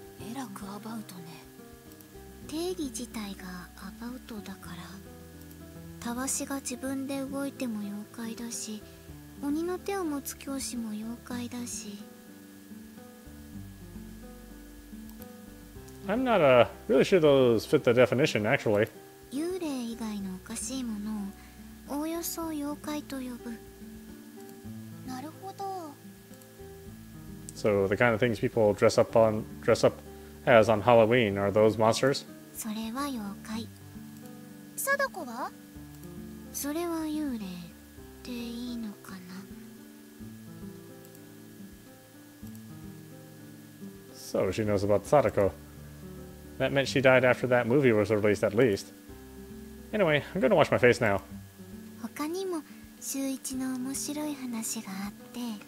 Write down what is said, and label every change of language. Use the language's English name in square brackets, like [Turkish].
[Japanese] えらくアバウトね。定義自体がアバウトだから。たわしが自分で動いても妖怪だし、鬼の手を持つ教師も妖怪だし。 [English] I'm not really sure those fit the definition actually. [Japanese] 幽霊以外のおかしいものをおおよそ妖怪と呼ぶ。なるほど。 [English] So the kind of things people dress up as on Halloween are those monsters? [Japanese] それは妖怪。貞子は？それは幽霊っていいのかな。 [English] So she knows about Sadako. That meant she died after that movie was released at least. Anyway, I'm gonna wash my face now. [Japanese] 他にも秀一の面白い話があって。